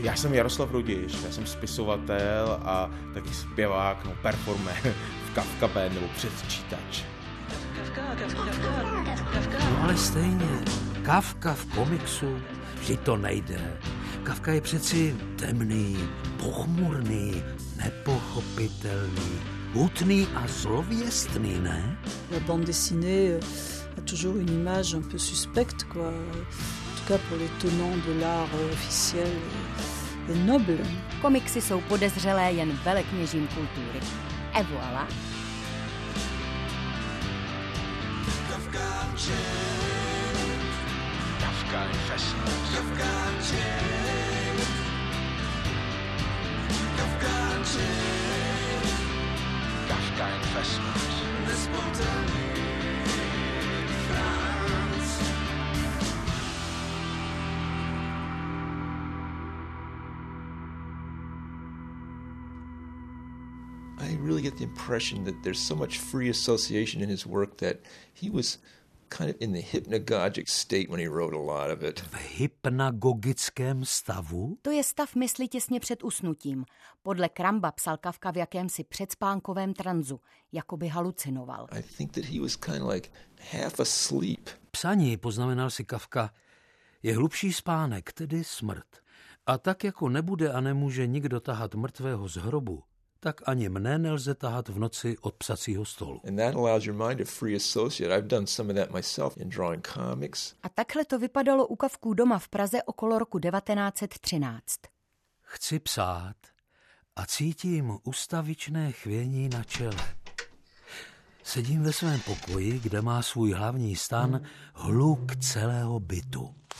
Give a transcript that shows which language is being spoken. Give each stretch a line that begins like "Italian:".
Czech: Já jsem Jaroslav Rudiš, já jsem spisovatel a taky zpěvák, no performer v Kafka Band nebo předčítač. No ale stejně, Kafka v komiksu, vždyť to nejde. Kafka je přeci temný, pochmurný, nepochopitelný, hutný a zlověstný, ne?
French: La bande dessinée a toujours une image un peu suspecte, quoi. En tout cas pour les tenants de l'art officiel, est noble.
Czech: Komiksy jsou podezřelé jen velekněžím kultury.
French: Et voilà.
English: Kafka Unchained. Kafka Unchained. Kafka Unchained. Kafka Unchained.
French: Les spontanés Franz.
English: I really get the impression that there's so much free association in his work that he was kind of in the hypnagogic state when he wrote a lot of it.
Czech: V hypnagogickém stavu? To je stav mysli těsně před usnutím. Podle Kramba psal Kafka v jakémsi předspánkovém tranzu, jako by halucinoval.
English: I think that he was kind of like half asleep.
Czech: Psaní, poznamenal si Kafka, je hlubší spánek, tedy smrt. A tak jako nebude a nemůže nikdo tahat mrtvého z hrobu, tak ani mne nelze tahat v noci od psacího stolu.
English: And that allows your mind to free associate. I've done some of that myself in drawing comics.
Czech: A takhle to vypadalo u Kafků doma v Praze okolo roku 1913. Chci psát a cítím ustavičné chvění na čele. Sedím ve svém pokoji, kde má svůj hlavní stan, hluk celého bytu.